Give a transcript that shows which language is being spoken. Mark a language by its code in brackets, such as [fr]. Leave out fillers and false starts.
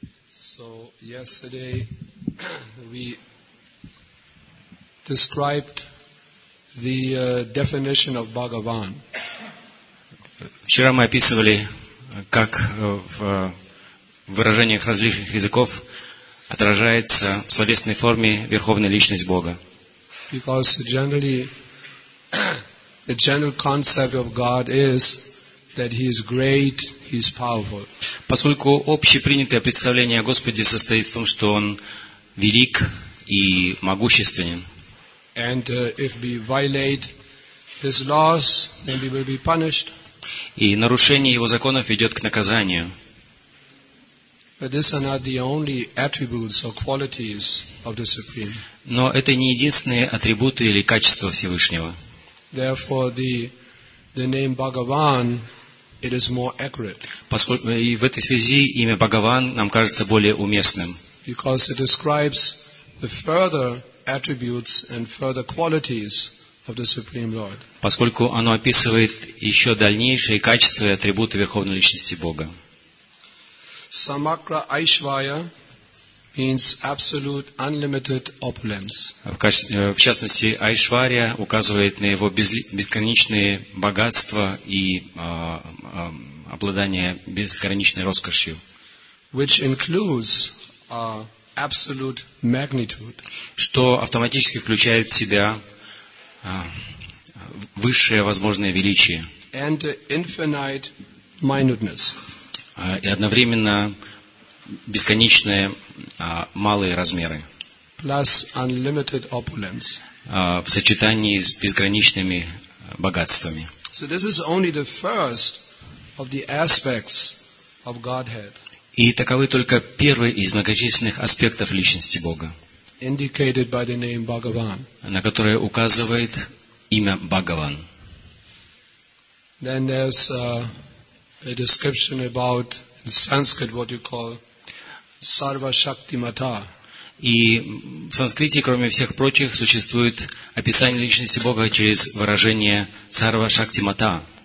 [en] So yesterday we described the definition of Bhagavan. [ru] Вчера мы описывали, как в выражениях различных языков отражается в словесной форме верховная личность Бога. [en] Because generally the general concept of God is that he is great, he is powerful. [ru] Поскольку общепринятое представление о Господе состоит в том, что он велик и могущественен. [en] And if we violate his laws, then we will be punished. [ru] И нарушение его законов ведет к наказанию. [en] But these are not the only attributes or qualities of the Supreme. [ru] Но это не единственные атрибуты или качества Всевышнего. [en] Therefore, the name Bhagavan, it is more accurate. [ru] Поскольку и в этой связи имя Бхагаван нам кажется более уместным. [en] Because it describes the further attributes and further qualities of the Supreme Lord. [ru] Поскольку оно описывает еще дальнейшие качества и атрибуты Верховной Личности Бога. [en] Samagra Aishvaya means absolute unlimited opulence. [ru] В частности, Айшвария указывает на его бесконечные богатства и обладание бесконечной роскошью. [en] Which includes absolute magnitude. [ru] Что автоматически включает в себя высшее возможное величие. [en] And infinite minuteness. [ru] И одновременно бесконечные малые размеры. [en] Plus unlimited opulence. [ru] В сочетании с безграничными богатствами. [en] So this is only the first of the aspects of Godhead. [ru] И таковы только первые из многочисленных аспектов личности Бога. [en] Indicated by the name Bhagavan. [ru] На которые указывает имя Бхагаван. [en] Then there's a description about in Sanskrit what you call Sarva Shaktimata. [ru] И в санскрите, кроме всех прочих, существует описание личности Бога через выражение Sarva Shaktimata.